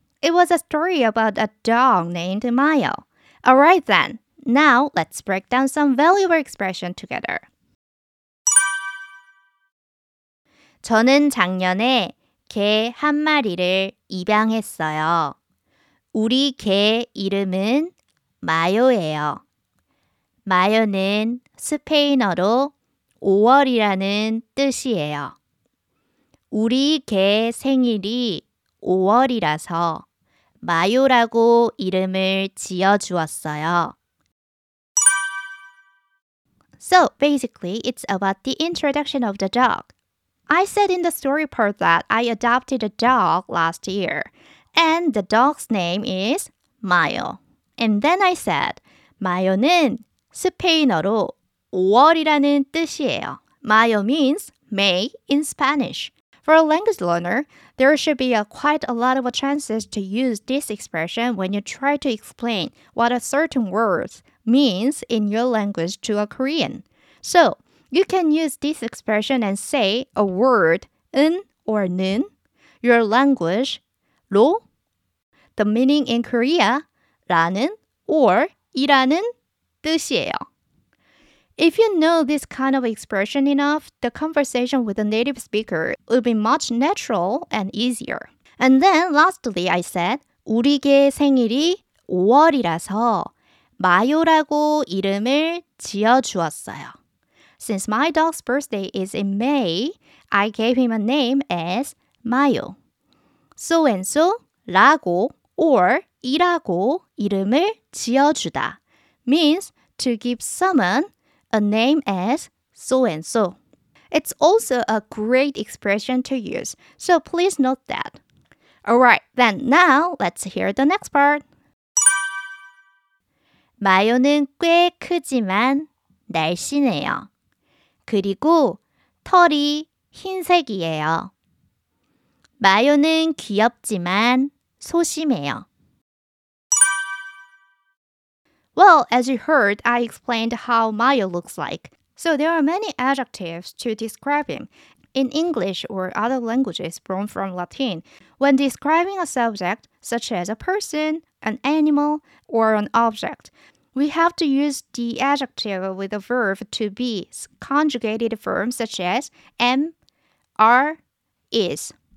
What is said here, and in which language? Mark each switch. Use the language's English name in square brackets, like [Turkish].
[English] It was a story about a dog named Mayo. Alright then, now let's break down some valuable expression together. [Korean] 저는 작년에 개 한 마리를 입양했어요. 우리 개 이름은 마요예요. 마요는 스페인어로 5월이라는 뜻이에요. 우리 개 생일이 5월이라서 마요라고 이름을 지어주었어요. [English] So, basically, it's about the introduction of the dog. I said in the story part that I adopted a dog last year, and the dog's name is Mayo. And then I said, [Korean] Mayo는 스페인어로 5월이라는 뜻이에요. [English] Mayo means May in Spanish. For a language learner, there should be quite a lot of chances to use this expression when you try to explain what a certain word means in your language to a Korean. So, you can use this expression and say a word, 은 or 는, your language, 로, the meaning in Korea, 라는 or 이라는 뜻이에요. If you know this kind of expression enough, the conversation with a native speaker will be much natural and easier. And then, lastly, I said, [Korean] 우리 개 생일이 5월이라서 마요라고 이름을 지어주었어요. [English] Since my dog's birthday is in May, I gave him a name as Mayo. So-and-so, 라고, or [Korean] 이라고 이름을 지어주다 [English] means to give someone a name as so-and-so. It's also a great expression to use, so please note that. Alright, then now let's hear the next part. [Korean] 마요는 꽤 크지만 날씬해요. 그리고 털이 흰색이에요. 마요는 귀엽지만 소심해요. [English] Well, as you heard, I explained how Mayo looks like. So there are many adjectives to describe him. in English or other languages born from Latin, when describing a subject, such as a person, an animal, or an object, we have to use the adjective with a verb to be conjugated form such as am, are, is.